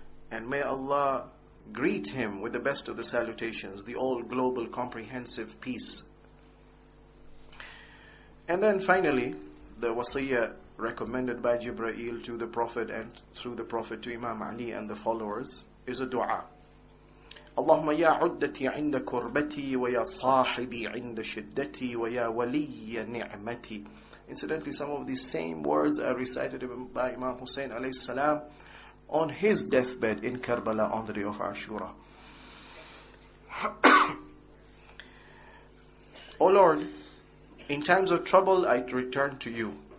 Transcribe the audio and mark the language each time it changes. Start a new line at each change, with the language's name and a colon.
English: And may Allah greet him with the best of the salutations, the all-global comprehensive peace. And then finally, the wasiyya recommended by Jibreel to the Prophet and through the Prophet to Imam Ali and the followers is a dua.
Arabic: اللهم يا عدتي عند كربتي ويا صاحبي عند شدتي ويا ولي نعمتي.
English: Incidentally, some of these same words are recited by Imam Hussein alayhi salam on his deathbed in Karbala on the day of Ashura. O Lord, in times of trouble I return to you.